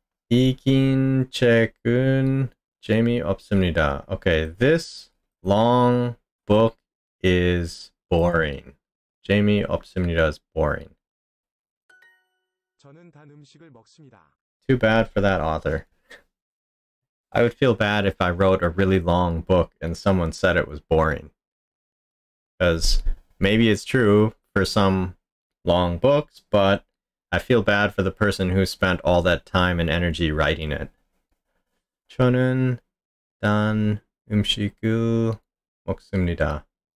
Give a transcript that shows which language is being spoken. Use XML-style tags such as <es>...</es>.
<ko>이긴 책은 재미없습니다.</ko> <en>Okay, this long book is boring.</en> <ko>재미 없습니다</ko> <en>is boring.</en> <ko>저는 단 음식을 먹습니다.</ko> <en>Too bad for that author. I would feel bad if I wrote a really long book and someone said it was boring. Because maybe it's true for some long books, but I feel bad for the person who spent all that time and energy writing it.</en> <ko>저는 단 음식을 먹습니다.</ko>